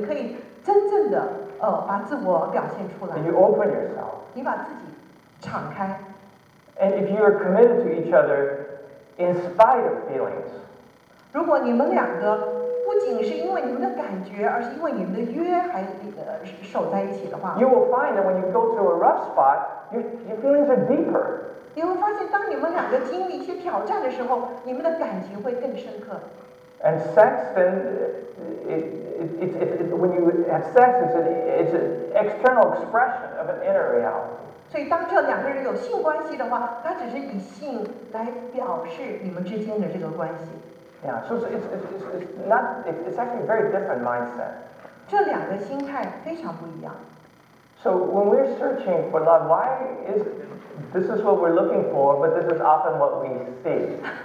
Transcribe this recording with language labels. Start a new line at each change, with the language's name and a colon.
Chinese: 你在这里不需要再推销你自己了，你可以真正的把自我表现出来。
English: And you open yourself.
Chinese: 你把自己敞开。
English: And if you are committed to each other in spite of feelings,
Chinese: 如果你们两个不仅是因为你们的感觉，而是因为你们的约还守在一起的话，
English: you will find that when you go through a rough spot, your feelings are deeper.
Chinese: 你会发现，当你们两个经历一些挑战的时候，你们的感情会更深刻。
English: And sex, then when you have sex, it's an external expression of an inner reality.
Chinese: 所以，当这两个人有性关系的话，他只是以性来表示你们之间的这个关系。Yeah,
English: so it's actually a very different mindset.
Chinese: 这两个心态非常不一样。So
English: when we're searching for love, why is this is what we're looking for, but this is often what we see?